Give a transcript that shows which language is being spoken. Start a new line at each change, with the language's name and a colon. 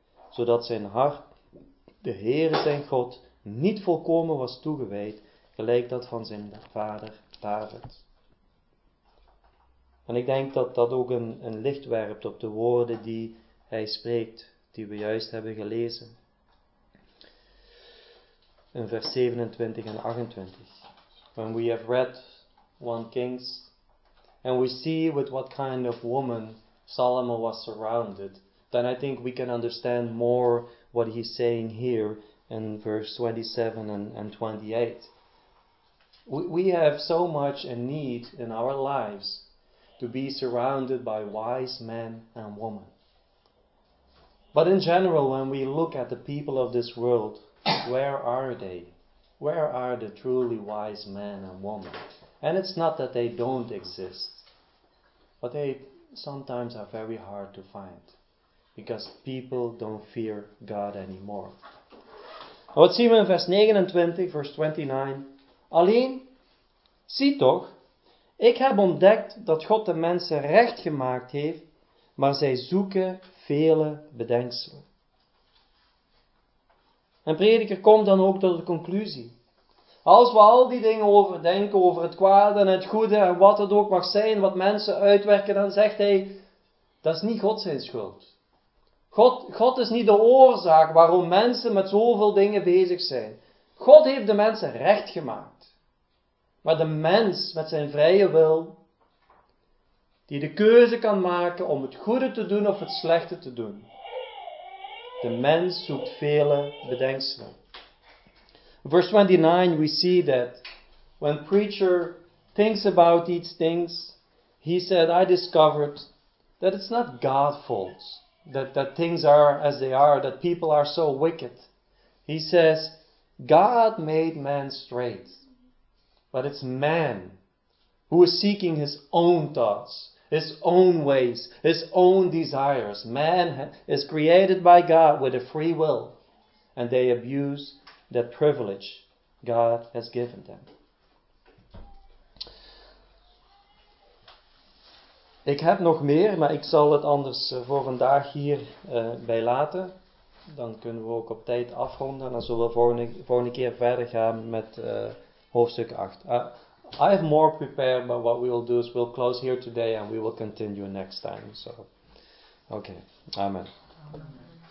Dutch: Zodat zijn hart, de Heere zijn God, niet volkomen was toegewijd, gelijk dat van zijn vader David. En ik denk dat dat ook een licht werpt op de woorden die hij spreekt, die we juist hebben gelezen. In vers 27 en 28.
English: When we have read 1 Kings, and we see with what kind of woman Solomon was surrounded, then I think we can understand more what he's saying here in verse 27 and 28. We have so much a need in our lives to be surrounded by wise men and women. But in general, when we look at the people of this world, where are they? Where are the truly wise men and women? And it's not that they don't exist, but they sometimes are very hard to find because people don't fear God anymore.
Dutch: Wat zien we in vers 29, vers 29? Alleen, zie toch, ik heb ontdekt dat God de mensen recht gemaakt heeft, maar zij zoeken vele bedenkselen. En Prediker komt dan ook tot de conclusie. Als we al die dingen overdenken, over het kwade en het goede en wat het ook mag zijn, wat mensen uitwerken, dan zegt hij, dat is niet God zijn schuld. God is niet de oorzaak waarom mensen met zoveel dingen bezig zijn. God heeft de mensen recht gemaakt. Maar de mens met zijn vrije wil, die de keuze kan maken om het goede te doen of het slechte te doen. De mens zoekt vele bedenkselen.
English: Verse 29, we see that when preacher thinks about these things, he said, I discovered that it's not God's fault, that things are as they are, that people are so wicked. He says, God made man straight. But it's man who is seeking his own thoughts, his own ways, his own desires. Man is created by God with a free will, and they abuse the privilege God has given them.
Dutch: Ik heb nog meer, maar ik zal het anders voor vandaag hier bij laten. Dan kunnen we ook op tijd afronden. En dan zullen we volgende keer verder gaan met hoofdstuk 8.
English: I have more prepared, but what we will do is we'll close here today and we will continue next time. So, okay. Amen.